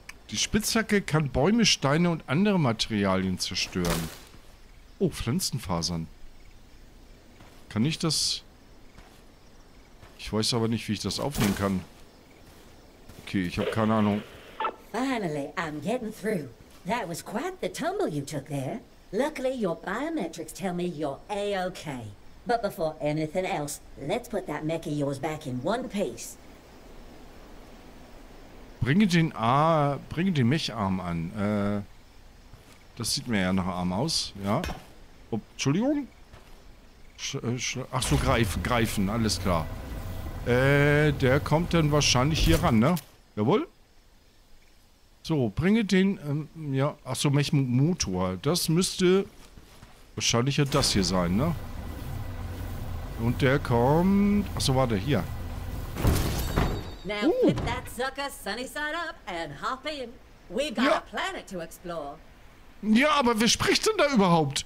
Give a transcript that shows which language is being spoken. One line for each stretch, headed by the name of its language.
German: Die Spitzhacke kann Bäume, Steine und andere Materialien zerstören. Oh, Pflanzenfasern. Kann ich das? Ich weiß aber nicht, wie ich das aufnehmen kann. Okay, ich habe keine Ahnung.
English: Finally, I'm getting through. That was quite the tumble you took there. Luckily, your biometrics tell me you're A-OK. But before anything else, let's put that mech of yours back in one piece.
German: Bringe den Mech-Arm an. Das sieht mir ja nach Arm aus, ja. Oh, Entschuldigung. Ach so, greifen, alles klar. Der kommt dann wahrscheinlich hier ran, ne? Jawohl. So, bringe den, ja, ach so, Mech-Motor. Das müsste wahrscheinlich ja das hier sein, ne? Und der kommt, ach so, warte, hier.
English: Now flip that sucker sunny side up and hop in. We got a planet to explore.
German: Ja, aber wer spricht denn da überhaupt?